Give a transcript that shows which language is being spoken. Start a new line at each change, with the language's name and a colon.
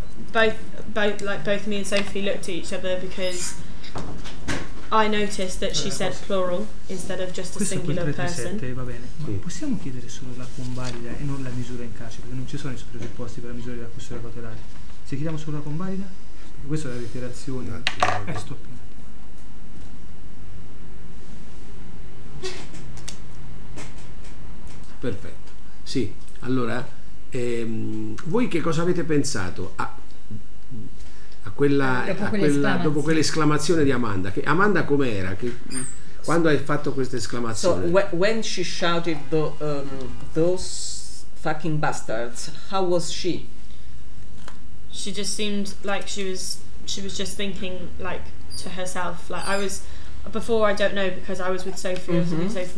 English: Both me and Sophie looked at each other because I noticed that she said plural instead of just a
Italian: questo
English: singular 37, person.
Italian: Va bene. Ma possiamo chiedere solo la convalida e non la misura in carcere, perché non ci sono i presupposti per la misura della custodia cautelare. Se chiediamo solo la convalida, questa è la reiterazione. Stop. Perfetto. Sì, allora, voi che cosa avete pensato dopo quell'esclamazione di Amanda? Che Amanda com'era? Quando hai fatto questa esclamazione?
English: So, when she shouted those fucking bastards, how was she? She just seemed like she was just thinking, like, to herself. Like, I was before, I don't know, because I was with Sophie, mm-hmm.